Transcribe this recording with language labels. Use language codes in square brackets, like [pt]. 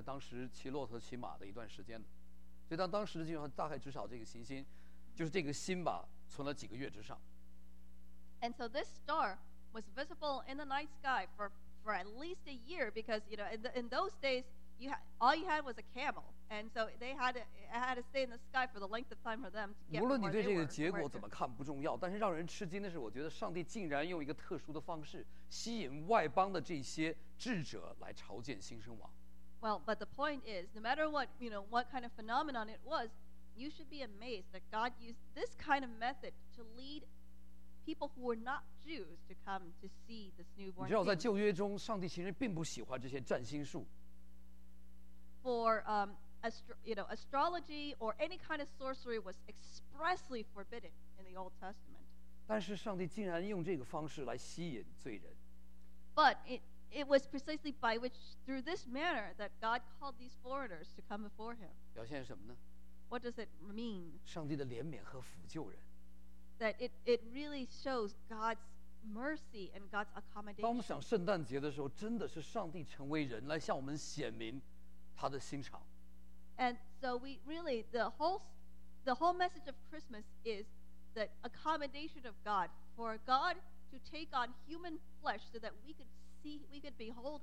[zh] 你要从现在阿拉伯世界到耶路撒冷，在当时骑骆驼骑马的一段时间。所以当时的计划大概至少这个行星，就是这个星吧，存了几个月之上。 [en] And so this star was visible in the night sky for at least a year, because you know in those days you all you had was a camel, and so they had to stay in the sky for the length of time for them to get where they were. [zh] 无论你对这个结果怎么看不重要，但是让人吃惊的是，我觉得上帝竟然用一个特殊的方式吸引外邦的这些智者来朝见新生王。 [en] Well, but the point is, no matter what, you know, what kind of phenomenon it was, you should be amazed that God used this kind of method to lead people who were not Jews to come to see this newborn. [zh] 你知道，在旧约中，上帝其实并不喜欢这些占星术。 [en] For astrology or any kind of sorcery was expressly forbidden in the Old Testament. [zh] 但是上帝竟然用这个方式来吸引罪人。 [en] But it was precisely by which, through this manner, that God called these foreigners to come before him. [zh] 表现什么呢? [en] What does it mean? [zh] 上帝的怜悯和抚救人。 [en] That it really shows God's mercy and God's accommodation. [zh] 当我们想圣诞节的时候，真的是上帝成为人来向我们显明他的心肠。 [en] And so we really, the whole message of Christmas is the accommodation of God, for God to take on human flesh so that we could see, we could behold